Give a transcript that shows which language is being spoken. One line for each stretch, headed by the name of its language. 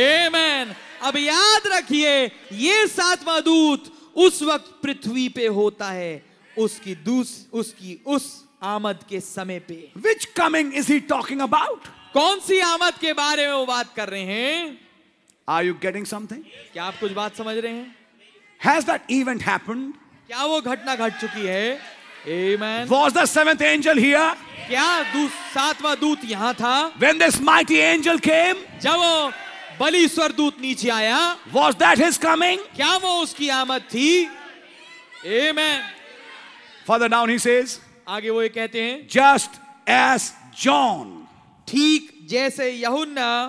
Hindi: आमेन अब याद रखिए ये सातवां दूत उस वक्त पृथ्वी पे होता है उसकी उसकी उस आमद के समय पे
English: which coming is he talking about
Hindi: कौन सी आमद के बारे में वो बात कर रहे हैं
English: are you getting something
Hindi: क्या आप कुछ बात समझ रहे हैं
English: Has that event happened?
Hindi: क्या वो घटना घट चुकी है? Amen.
English: Was the seventh angel here?
Hindi: क्या सातवां दूत यहाँ था?
English: When this mighty angel came?
Hindi: जब वो बलि स्वर दूत नीचे आया?
English: Was that his coming?
Hindi: क्या वो उसकी आमद थी? Amen.
English: Further down he says.
Hindi: आगे वो ये कहते हैं.
English: Just as John.
Hindi: ठीक जैसे यहुन्ना.